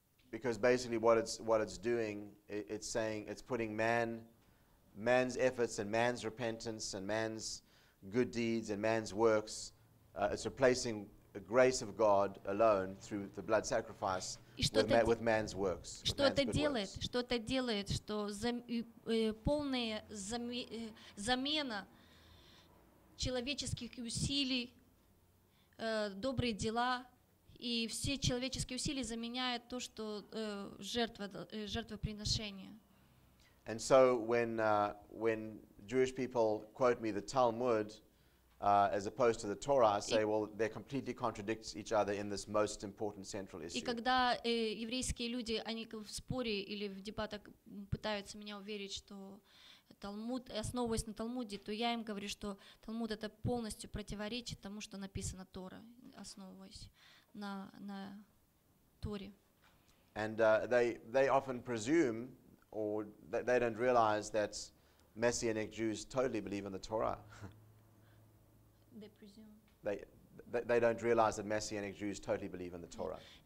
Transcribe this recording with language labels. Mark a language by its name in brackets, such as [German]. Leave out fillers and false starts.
[English] Because basically what it's doing, it's saying, it's putting man's efforts and man's repentance and man's good deeds and man's works, it's replacing the grace of God alone through the blood sacrifice with man's works. [Russian] Что это делает? Что это делает? Что полная замена человеческих усилий, добрые дела, и все человеческие усилия заменяют то, что жертвоприношение. [English] And so when Jewish people quote me the Talmud as opposed to the Torah, I say, well, they completely contradict each other in this most important central issue. [Russian] И когда еврейские люди, они в споре или в дебатах пытаются меня уверить, что Талмуд, основываясь на Талмуде, то я им говорю, что Талмуд это полностью противоречит тому, что написано Тора, основываясь на Торе. [English] And they often presume, or they don't realize that Messianic Jews totally believe in the Torah. They presume. They don't realize that Messianic Jews totally believe in the Torah.